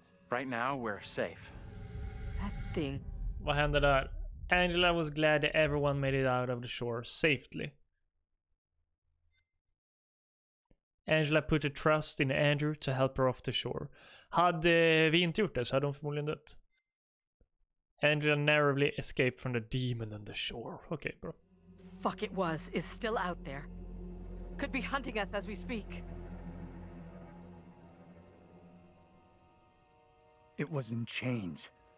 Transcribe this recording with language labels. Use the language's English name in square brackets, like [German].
[English] Right now, we're safe. That thing. [Swedish] Vad hände där? [English] Angela was glad that everyone made it out of the shore safely. Angela put a trust in Andrew to help her off the shore. [Swedish] Hade vi inte gjort det så hade hon förmodligen dött. [English] Angela narrowly escaped from the demon on the shore. [Swedish] Okej, bra. [English] Fuck it was, is still out there. Could be hunting us as we speak. It was in chains.